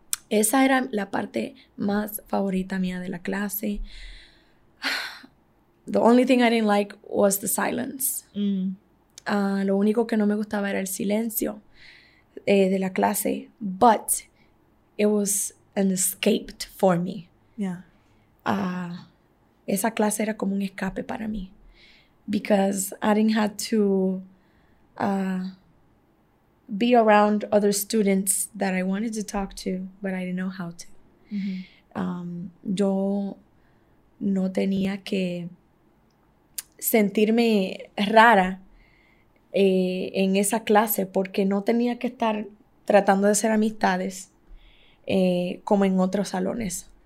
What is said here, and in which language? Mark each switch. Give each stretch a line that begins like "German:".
Spanish: Esa era la parte más favorita mía de la clase.
English: The only thing I didn't like was the silence. Mm.
Spanish: Lo único que no me gustaba era el silencio de la clase.
English: But it was an escape for me. Yeah.
Spanish: Esa clase era como un escape para mí.
English: Because I didn't have to be around other students that I wanted to talk to, but I didn't know how to. Mm-hmm.
Spanish: Yo no tenía que sentirme rara en esa clase porque no tenía que estar tratando de hacer amistades como en otros salones.